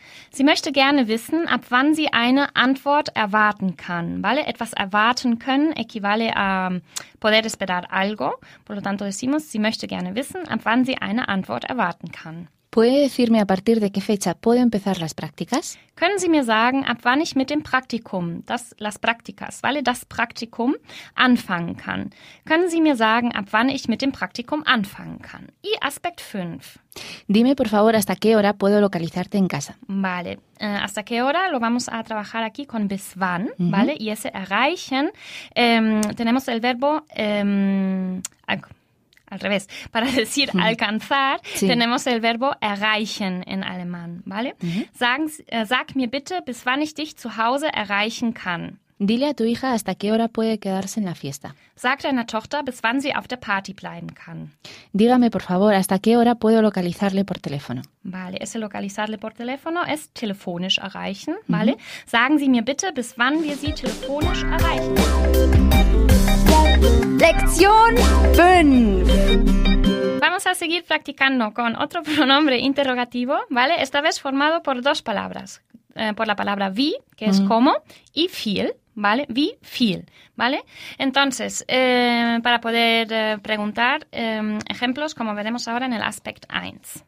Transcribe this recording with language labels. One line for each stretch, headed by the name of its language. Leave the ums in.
German: sie möchte gerne wissen, ab wann sie eine Antwort erwarten kann.
Spanish: Vale,
German: etwas erwarten können
Spanish: equivale a poder esperar algo. Por lo tanto decimos,
German: sie möchte gerne wissen, ab wann sie eine Antwort erwarten kann.
Spanish: ¿Puede decirme a partir de qué fecha puedo empezar las prácticas?
German: Können Sie mir sagen, ab wann ich mit dem Praktikum, das,
Spanish: las prácticas,
German: vale, das Praktikum anfangen kann? Können Sie mir sagen, ab wann ich mit dem Praktikum anfangen kann?
Spanish: Y aspect 5. Dime, por favor, hasta qué hora puedo localizarte en casa. Vale, hasta qué hora lo vamos a trabajar aquí con
German: bis wann,
Spanish: ¿vale? uh -huh. vale, y ese erreichen, um, eh, tenemos el verbo, um, eh, al revés, para decir alcanzar, hm. sí. tenemos el verbo erreichen en alemán, ¿vale? uh -huh.
German: sag, äh, sag mir bitte, bis wann ich dich zu Hause erreichen kann.
Spanish: Dile a tu hija hasta qué hora puede quedarse en la fiesta.
German: Sag deiner Tochter, bis wann sie auf der Party bleiben kann.
Spanish: Dígame, por favor, hasta qué hora puedo localizarle por teléfono. Vale, ese localizarle por teléfono es
German: telefonisch erreichen. Vale, mm -hmm. sagen Sie mir bitte, bis wann wir Sie telefonisch erreichen.
Spanish: Lección 5 Vamos a seguir practicando con otro pronombre interrogativo, ¿vale? Esta vez formado por dos palabras. Eh, por la palabra vi, que mm -hmm. es como, y viel, ¿vale?
German: Wie viel?
Spanish: ¿vale? Entonces, eh, para poder eh, preguntar eh, ejemplos, como veremos ahora en el aspect 1.